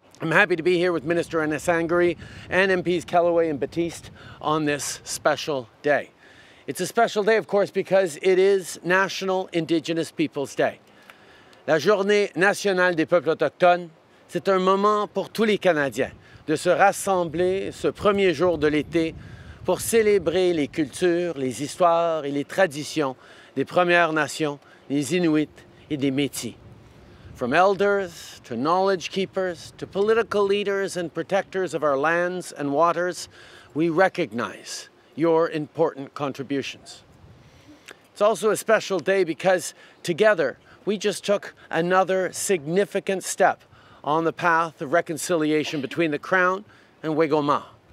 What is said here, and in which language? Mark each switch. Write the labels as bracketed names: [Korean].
[English] I'm happy to be here with Minister Anasangiri and MPs Kellaway and Batiste on this special day. It's a special day, of course, because it is National Indigenous Peoples Day. [French] La Journée Nationale des Peuples Autochtones, c'est un moment pour tous les Canadiens de se rassembler ce premier jour de l'été pour célébrer les cultures, les histoires et les traditions des Premières Nations, des Inuits et des Métis. [English] From elders to knowledge keepers to political leaders and protectors of our lands and waters, we recognize your important contributions. It's also a special day because together we just took another significant step on the path of reconciliation between the Crown and Wagoma.